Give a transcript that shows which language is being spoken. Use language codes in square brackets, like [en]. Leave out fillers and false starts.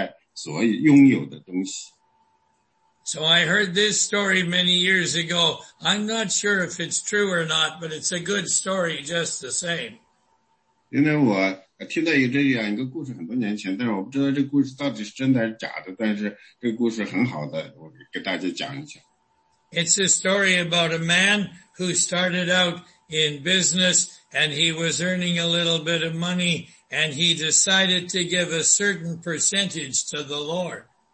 [zh] 并不是说对我们来，这更多的钱对我们的人生来说并不是很重要的。对我们很重要的是，我们要非常明智的去使用我们现在所拥有的东西。 [en] So I heard this story many years ago. I'm not sure if it's true or not, but it's a good story just the same. [zh] 因为我听到这样一个故事很多年前，但是我不知道这故事到底是真的还是假的，但是这故事很好的，我给大家讲一讲。 [en] It's a story about a man who started out in business and he was earning a little bit of money and he decided to give a certain percentage to the Lord.